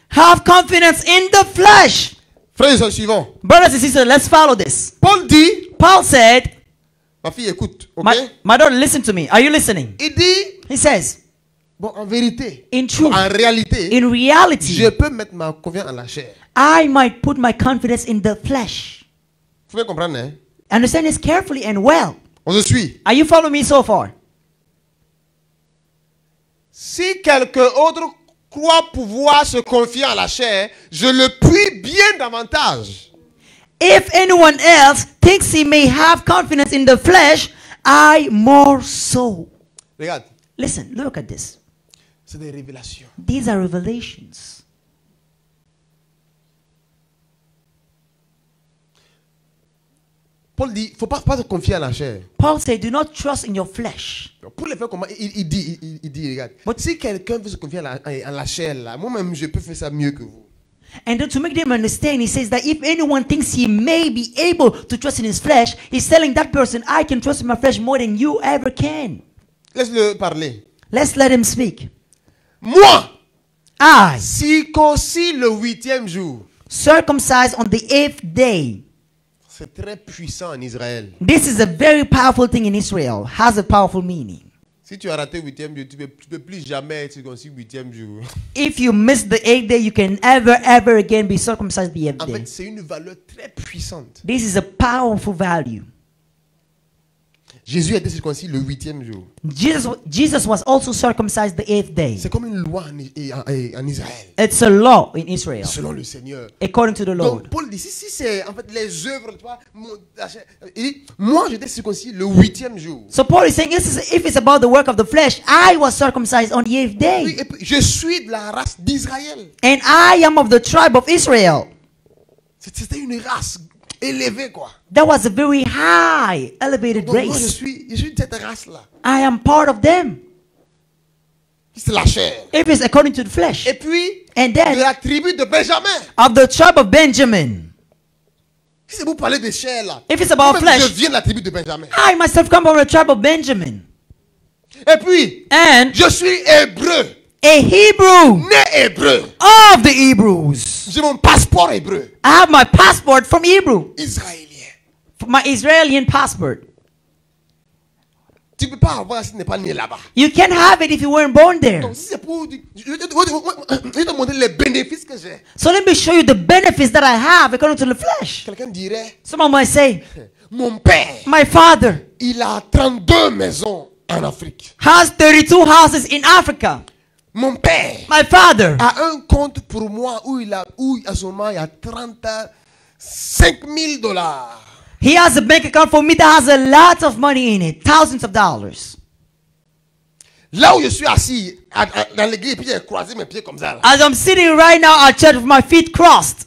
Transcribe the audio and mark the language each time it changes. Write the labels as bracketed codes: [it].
[en] Have confidence in the flesh. [fr] Frères et sœurs, [en] brothers and sisters, let's follow this. [fr] Paul dit. [en] Paul said. [fr] Ma fille, écoute, okay? [en] My daughter, listen to me. Are you listening? [fr] Il dit. [en] He says. [fr] Bon, en vérité. [en] In truth. [fr] En réalité. [en] In reality. [fr] Je peux mettre ma confiance en la chair. [en] I might put my confidence in the flesh. [fr] Vous pouvez comprendre, hein? [en] Understand this carefully and well. [fr] On se suit. [en] Are you following me so far? [fr] Si quelqu'un autre croit pouvoir se confier à la chair, je le puis bien davantage. [en] If anyone else thinks he may have confidence in the flesh, I more so. [fr] Regarde. [en] Listen, look at this. [fr] C'est des révélations. [en] These are revelations. [fr] Paul dit, faut pas se confier à la chair. [en] Paul said, do not trust in your flesh. [fr] Pour le faire comment il dit regarde. But si quelqu'un veut se confier à la chair là, moi-même je peux faire ça mieux que vous. [en] And to make them understand, he says that if anyone thinks he may be able to trust in his flesh, he's telling that person, I can trust in my flesh more than you ever can. [fr] Laisse-le parler. [en] Let's let him speak. [fr] Moi. [en] I. [fr] Circoncis le huitième jour. [en] Circumcised on the eighth day. [fr] C'est très puissant en Israël. [en] This is a very powerful thing in Israel. Has a powerful meaning. [fr] Si tu as raté le huitième jour, tu peux plus jamais être circoncis le huitième jour. [en] If you miss the eighth day, you can never, ever again be circumcised the eighth day. [fr] En fait, c'est une valeur très puissante. [en] This is a powerful value. [fr] Jésus était circoncis le huitième jour. [en] Jesus was also circumcised the eighth day. [fr] C'est comme une loi en Israël. [en] It's a law in Israel. [fr] Selon le Seigneur. [en] According to the Lord. [fr] Donc Paul dit si c'est en fait les œuvres toi. Il dit moi j'étais circoncis le huitième jour. [en] So Paul is saying if it's about the work of the flesh, I was circumcised on the eighth day. [fr] Je suis de la race d'Israël. [en] And I am of the tribe of Israel. [fr] C'était une race. Élevé quoi. [en] That was a very high, elevated [fr] donc, [en] race. [fr] Moi, je suis cette race là. [en] I am part of them. [fr] C'est la chair. [en] If it's according to the flesh. [fr] Et puis, [en] and then, [fr] de la tribu de Benjamin. [en] Of the tribe of Benjamin. [fr] Si vous parlez de chair là. [en] If it's about flesh. [fr] Je viens de la tribu de Benjamin. [en] I myself come from the tribe of Benjamin. [fr] Et puis, [en] and [fr] je suis hébreu. [en] A Hebrew. [fr] Né hébreu. [en] Of the Hebrews. [fr] J'ai mon passeport hébreu. [en] I have my passport from Hebrew. [fr] Israélien. [en] From my Israelian passport. [fr] Tu peux pas avoir si tu n'es pas né là-bas. [en] You can't have it if you weren't born there. [fr] Donc, si c'est pour, je te montrer les bénéfices que j'ai. [en] So let me show you the benefits that I have according to the flesh. [fr] Quelqu'un dirait. [en] Someone might say. [fr] Mon père. [en] My father. [fr] Il a 32 maisons en Afrique. [en] Has 32 houses in Africa. [fr] Mon père. [en] My father. [fr] A un compte pour moi où il a où à ce moment il y a $35,000. [en] He has a bank account for me that has a lot of money in it, thousands of dollars. [fr] Là où je suis assis dans l'église, puis j'ai croisé mes pieds comme ça. [en] As I'm sitting right now at church with my feet crossed.